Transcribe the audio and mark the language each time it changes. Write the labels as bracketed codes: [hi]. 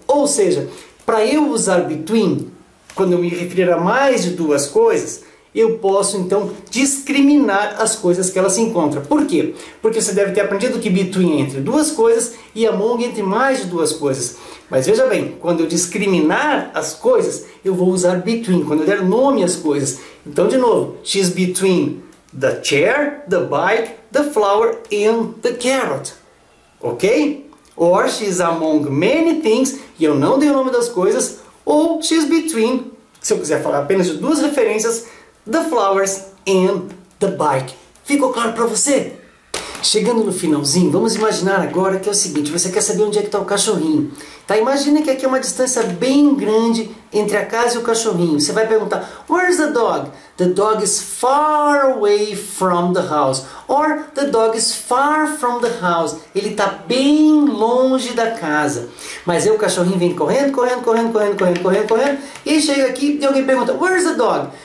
[pt] Ou seja, para eu usar between, quando eu me referir a mais de duas coisas, eu posso então discriminar as coisas que ela se encontra. Por quê? Porque você deve ter aprendido que between é entre duas coisas e among entre mais de duas coisas. Mas veja bem, quando eu discriminar as coisas, eu vou usar between, quando eu der nome às coisas. Então, de novo, [en] she's between the chair, the bike, the flower and the carrot, ok? Or she's among many things, [pt] e eu não dei o nome das coisas, ou [en] she's between, [pt] se eu quiser falar apenas de duas referências, [en] the flowers and the bike. [pt] Ficou claro para você? Chegando no finalzinho, vamos imaginar agora que é o seguinte, você quer saber onde é que está o cachorrinho, tá? Imagina que aqui é uma distância bem grande entre a casa e o cachorrinho. Você vai perguntar, [en] where's the dog? The dog is far away from the house. Or, the dog is far from the house. [pt] Ele está bem longe da casa. Mas aí o cachorrinho vem correndo, correndo, correndo, correndo, correndo, correndo, correndo, e chega aqui e alguém pergunta, [en] where's the dog?